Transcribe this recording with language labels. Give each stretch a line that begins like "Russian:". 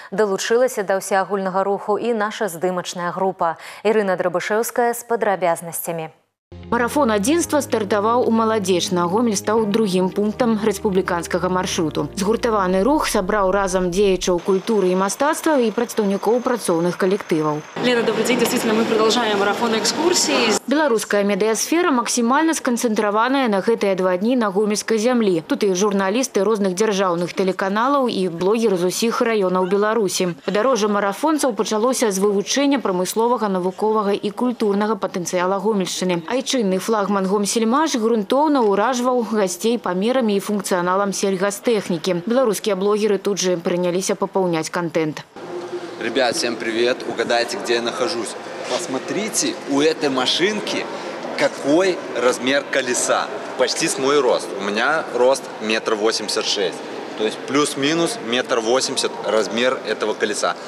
Belarusian: Далучылася да ўсеагульнага руху і наша здымачная група. Ірына Драбышэўская з падрабязнасцямі. Марафон адзінства стартаваў у Маладзечна. Гомель стаў 2-м пунктам рэспубліканскага маршруту. Згуртаваны рух сабраў разам дзеячаў культуры і мастацтва і прадстаўнікоў працоўных калектываў.
Russian: Лена, добрый дзень. Действительно, мы продолжаем марафон экскурсій.
Belarusian: Беларуская медыасфера максімальна сканцэнтраваная на гэтыя 2 дні на гомельскай зямлі. Тут і журналісты розных дзяржаўных тэлеканалаў і блогеры з усіх раёнаў Беларусі. Падарожжа марафонцаў пачалося з вывучэння прамысловага, навуковага і культурнага патэнцыяла Гомельшчыны. Айчынны флагман «Гомсельмаш» грунтоўна ўражваў гасцей памерамі і функцыяналам сельгастэхнікі. Беларускія блогеры тут же прыняліся папаўняць контент.
Russian: Ребят, всем привет! Угадайте, где я нахожусь. Посмотрите, у этой машинки какой размер колеса. Почти с мой рост. У меня рост 1,86 м. То есть плюс-минус 1,80 м размер этого колеса.